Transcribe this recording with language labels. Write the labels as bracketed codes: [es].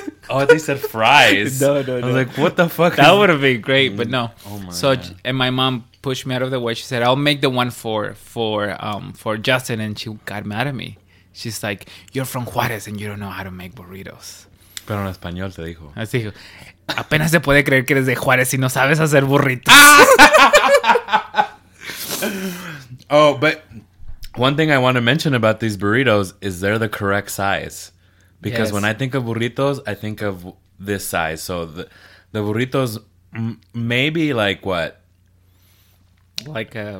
[en] Oh, they said fries. No. I was like, what the fuck? That would have been great, but no. Oh, my God. And my mom pushed me out of the way. She said, I'll make the one for Justin. And she got mad at me. She's like, you're from Juarez and you don't know how to make burritos. [es] Pero en español te dijo. Así dijo. Apenas se puede creer que eres de Juárez y no sabes hacer burritos. [en] Oh, but one thing I want to mention about these burritos is they're the correct size. Because yes. When I think of burritos, I think of this size. So the burritos maybe like what? Like